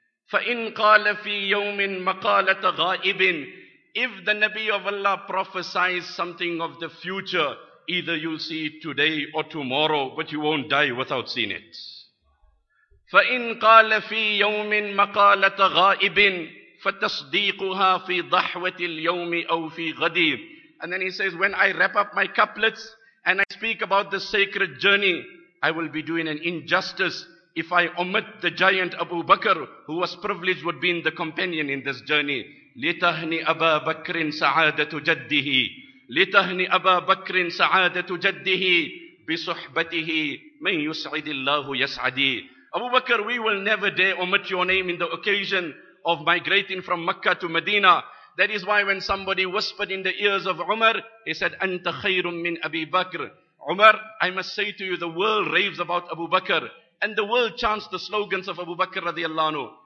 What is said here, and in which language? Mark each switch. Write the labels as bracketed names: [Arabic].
[Arabic] فَإِنْ قَالَ فِي يَوْمٍ مَقَالَةَ غَائِبٍ. [English] If the Nabi of Allah prophesies something of the future, either you'll see it today or tomorrow, but you won't die without seeing it. [Arabic] فَإِنْ قَالَ فِي يَوْمٍ مَقَالَةَ غَائِبٍ فتصديقها في ضحوة اليوم أو في غدير. [English] And then he says, when I wrap up my couplets and I speak about the sacred journey, I will be doing an injustice if I omit the giant Abu Bakr, who was privileged with being the companion in this journey. [Arabic] لتهني أبا بكر سعادة جده لتهني أبا بكر سعادة جده بصحبته من يسعد الله يسعدي. [English] Abu Bakr, we will never dare omit your name in the occasion of migrating from Makkah to Medina. That is why when somebody whispered in the ears of Umar, he said, [Arabic] أنت خير من أبي بكر. [English] Umar, I must say to you, the world raves about Abu Bakr and the world chants the slogans of Abu Bakr radiallahu anhu.